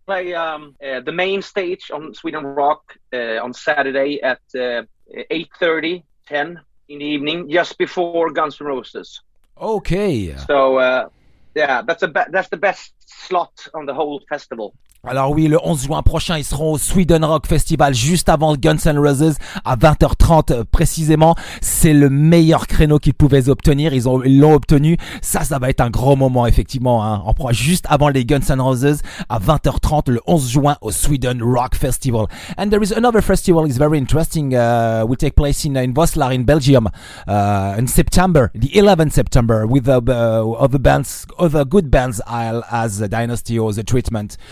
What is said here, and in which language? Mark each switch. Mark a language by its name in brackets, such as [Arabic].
[English] Play the main stage on Sweden Rock on Saturday at 8:30, 10 in the evening, just before Guns N' Roses. Okay. So, that's the best slot on the whole festival. [French] Alors oui, le 11 juin prochain, ils seront au Sweden Rock Festival juste avant Guns N' Roses à 20h30 précisément. C'est le meilleur créneau qu'ils pouvaient obtenir. Ils l'ont obtenu. Ça va être un gros moment effectivement, hein. En proie juste avant les Guns N' Roses à 20h30 le 11 juin au Sweden Rock Festival. [English] And there is another festival is very interesting. Will take place in Vosslar in Belgium in September, the 11th September, with other bands, other good bands as Dynasty or The Treatment.